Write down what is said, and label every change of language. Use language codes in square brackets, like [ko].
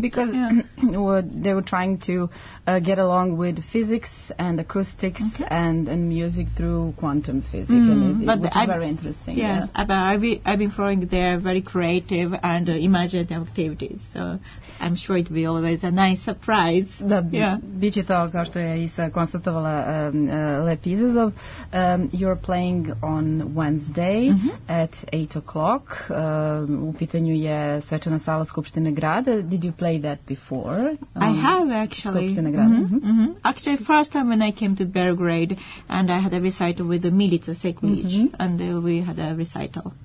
[en] Because they were trying to get along with physics and acoustics and music through quantum physics, which is very interesting. Yes, but I've been following their very creative and imaginative activities, so I'm sure it will be always a nice surprise. [sr] Da, biće to, kao što je Isa konstatovala, lep izazov. [en] You're playing on Wednesday at 8 o'clock. [sr] U pitanju je svečana sala Skupštine grada. [en] Did you play that before? I have, actually. [sr] Skupštine grada. [en] Actually, first time when I came to Belgrade, and I had a recital with the Milica Sekulić, and we had a recital.